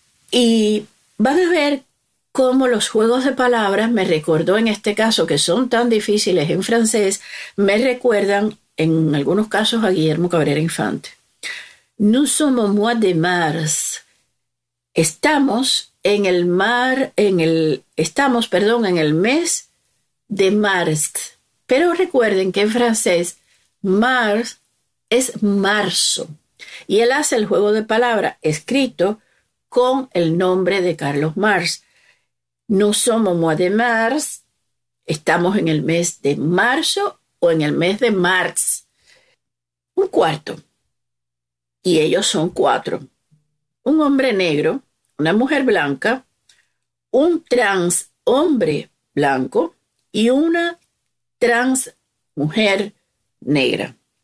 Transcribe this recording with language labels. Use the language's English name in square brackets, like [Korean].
[Spanish] Y van a ver cómo los juegos de palabras me recordó en este caso, que son tan difíciles en francés, me recuerdan en algunos casos a Guillermo Cabrera Infante. [French] Nous sommes au mois de mars. [Spanish] Estamos en el mes de mars. Pero recuerden que en francés mars es marzo. Y él hace el juego de palabra escrito con el nombre de Carlos Marx. [French] Nous sommes au mois de mars. [Spanish] Estamos en el mes de marzo o en el mes de mars. Un cuarto. Y ellos son cuatro. Un hombre negro, una mujer blanca, un trans hombre blanco y una trans mujer negra.